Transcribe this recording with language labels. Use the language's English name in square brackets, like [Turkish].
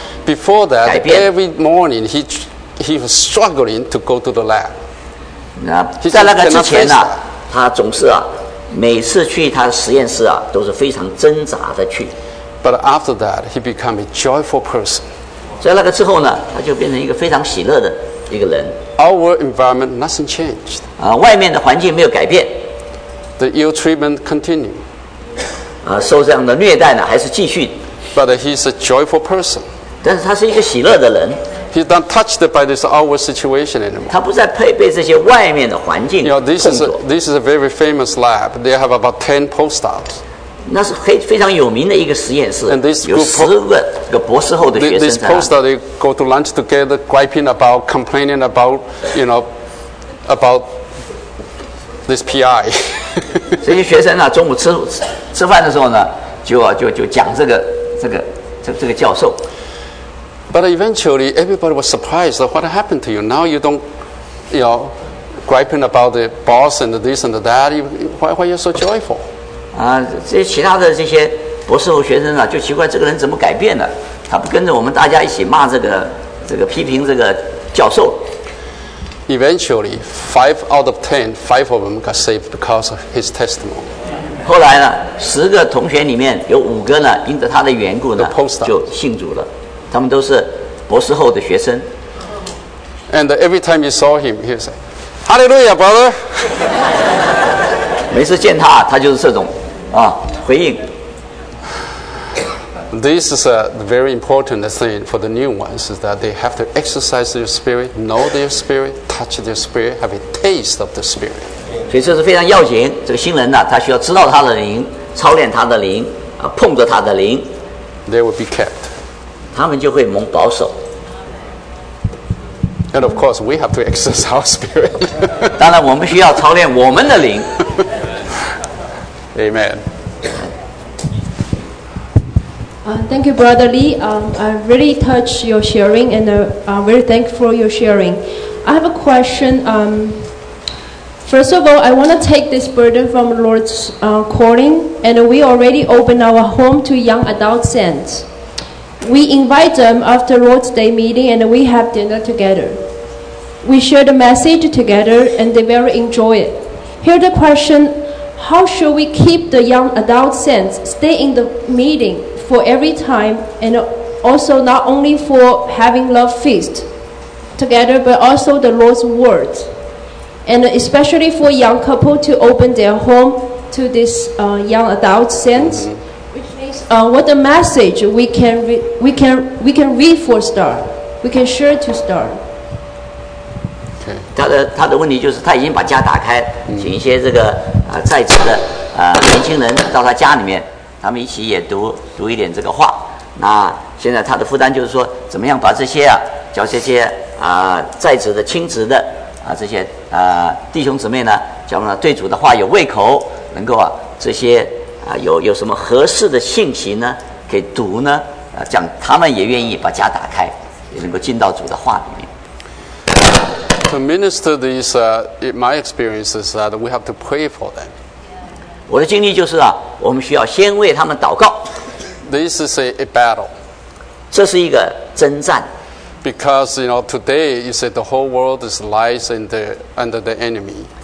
[English] Before that, every morning he was struggling to go to the lab. [Chinese] 在那个之前呢、他总是每次去他的实验室都是非常挣扎的去。 [English] But after that, he became a joyful person. [Chinese] 在那个之后呢，他就变成一个非常喜乐的一个人。 [English] Our environment, nothing changed. [Chinese] 外面的环境没有改变。 [English] The ill treatment continued. [Chinese] 受这样的虐待呢，还是继续。 [English] But he's a joyful person. [Chinese] 但是他是一个喜乐的人。 [English] He's not touched by this outward situation anymore. [Chinese] 他不再被这些外面的环境碰着。 [English] You know, this is a very famous lab. They have about 10 postdocs. [Chinese] 那是非非常有名的一个实验室，有10个博士后的学生。 [English] This poster they go to lunch together, griping about, complaining about, you know, about this PI. [Chinese] 这些学生啊，中午吃饭的时候呢，就讲这个教授。 [English] But eventually, everybody was surprised. What happened to you? Now you don't, you know, griping about the boss and this and that. Why are you so joyful? [Chinese] 这其他的这些博士后学生呢、啊，就奇怪这个人怎么改变了？他不跟着我们大家一起骂这个批评这个教授。 [English] Eventually, 5 out of 10 of them got saved because of his testimony. [Chinese] 后来呢，十个同学里面有五个呢，因着他的缘故呢， [English] the poster. [Chinese] 就信主了。他们都是博士后的学生。 [English] And every time you saw him, he said, "Hallelujah, brother." [Chinese] 每次见他，他就是这种啊回应。 [English] This is a very important thing for the new ones is that they have to exercise their spirit, know their spirit, touch their spirit, have a taste of the spirit. [Chinese] 所以这是非常要紧。这个新人呢、啊，他需要知道他的灵，操练他的灵，啊，碰着他的灵。 [English] They will be kept. [Chinese] 他们就会蒙保守。 [English] And of course, we have to exercise our spirit. [Chinese] 当然，我们需要操练我们的灵。 [English] Amen. Thank you, Brother Lee. I really touched your sharing, and I'm very thankful for your sharing. I have a question. First of all, I want to take this burden from the Lord's calling, and we already opened our home to young adult saints. We invite them after Lord's Day meeting and we have dinner together. We share the message together and they very enjoy it. Here's the question, how should we keep the young adult saints stay in the meeting for every time and also not only for having love feast together but also the Lord's word? And especially for young couple to open their home to this young adult saints. What the message we can read for start, we can share to start. Okay. [Chinese] 他的问题就是他已经把家打开，请一些这个在职的年轻人到他家里面，他们一起也读一点这个话。那现在他的负担就是说，怎么样把这些啊，叫这些在职的亲职的这些弟兄姊妹呢，叫呢对主的话有胃口，能够啊这些。有什么合适的信息呢？可以读呢？讲他们也愿意把家打开，也能够进到主的话里面。 [English] To minister these, my experience is that we have to pray for them. [Chinese] 我的经历就是啊，我们需要先为他们祷告。 [English] This is a battle. [Chinese] 这是一个征战。 [English] Because you know today you said the whole world is lies under the enemy.